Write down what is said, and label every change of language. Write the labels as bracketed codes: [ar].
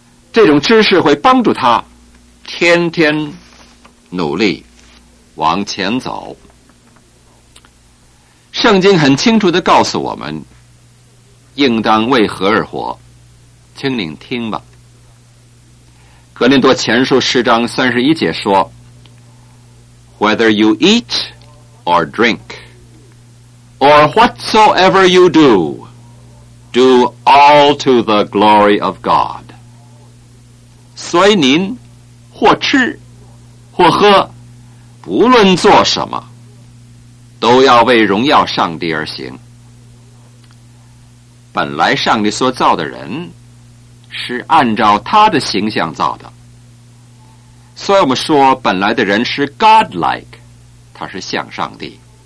[zh] 这种知识会帮助他天天努力往前走。圣经很清楚地告诉我们应当为何而活，请您听吧。格林多前书十章三十一节说， [en] Whether you eat or drink or whatsoever you do, do all to the glory of God. [zh] 所以您或吃或喝，不论做什么，都要为荣耀上帝而行。本来上帝所造的人是按照他的形象造的，所以我们说本来的人是 godlike， 他是像上帝。